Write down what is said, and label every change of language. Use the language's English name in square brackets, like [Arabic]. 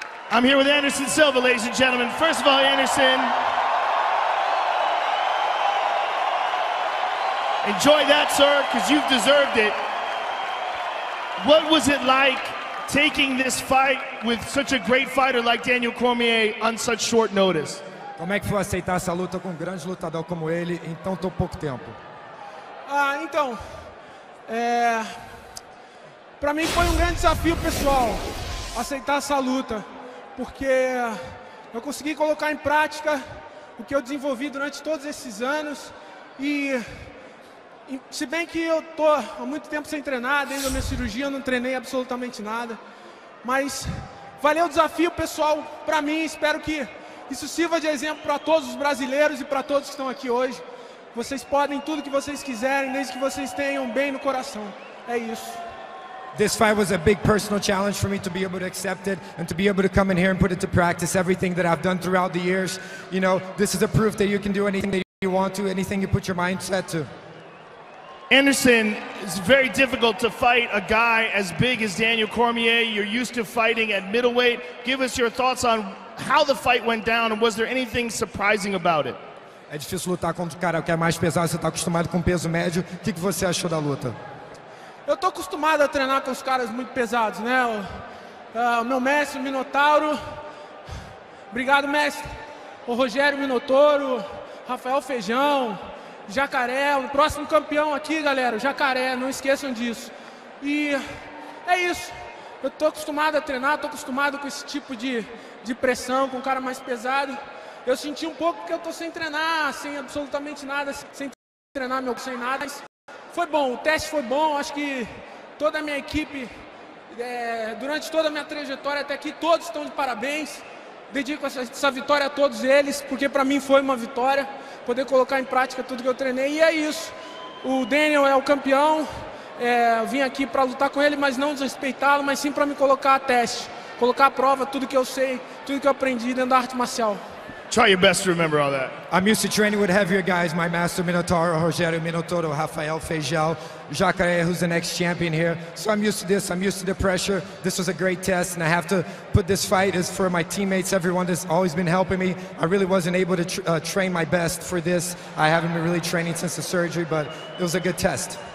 [English] I'm here with Anderson Silva, ladies and gentlemen. First of all, Anderson, enjoy that, sir, because you've deserved it. What was it like taking this fight with such a great fighter like Daniel Cormier on such short notice? [Portuguese] Como é que foi aceitar essa luta com um grande lutador como ele em tão pouco tempo? Ah, então, para mim foi um grande desafio pessoal aceitar essa luta, porque eu consegui colocar em prática o que eu desenvolvi durante todos esses anos. E se bem que eu tô há muito tempo sem treinar, desde a minha cirurgia eu não treinei absolutamente nada, mas valeu o desafio, pessoal, para mim. Espero que isso sirva de exemplo para todos os brasileiros e para todos que estão aqui hoje. Vocês podem tudo que vocês quiserem, desde que vocês tenham bem no coração. É isso. [English] This fight was a big personal challenge for me to be able to accept it and to be able to come in here and put it to practice, everything that I've done throughout the years. You know, this is a proof that you can do anything that you want to, anything you put your mindset to. Anderson, it's very difficult to fight a guy as big as Daniel Cormier. You're used to fighting at middleweight. Give us your thoughts on how the fight went down, and was there anything surprising about it? [Portuguese] É difícil lutar contra o cara que é mais pesado, você está acostumado com peso médio. O que você achou da luta? Eu estou acostumado a treinar com os caras muito pesados, né? O meu mestre, o Minotauro. Obrigado, mestre. O Rogério Minotauro, Rafael Feijão, Jacaré. O próximo campeão aqui, galera, o Jacaré, não esqueçam disso. E é isso. Eu estou acostumado a treinar, estou acostumado com esse tipo de pressão, com o cara mais pesado. Eu senti um pouco porque eu tô sem treinar, sem absolutamente nada, sem treinar meu, sem nada. Mas foi bom, o teste foi bom, acho que toda a minha equipe, durante toda a minha trajetória até aqui, todos estão de parabéns. Dedico essa vitória a todos eles, porque para mim foi uma vitória, poder colocar em prática tudo que eu treinei. E é isso, o Daniel é o campeão, eu vim aqui para lutar com ele, mas não desrespeitá-lo, mas sim para me colocar a teste, colocar a prova, tudo que eu sei, tudo que eu aprendi dentro da arte marcial. [English] Try your best to remember all that. I'm used to training with heavier guys, my master Minotauro, Rogério Minotauro, Rafael Feijão, Jacaré, who's the next champion here. So I'm used to this, I'm used to the pressure. This was a great test, and I have to put this fight as for my teammates, everyone that's always been helping me. I really wasn't able to train my best for this. I haven't been really training since the surgery, but it was a good test.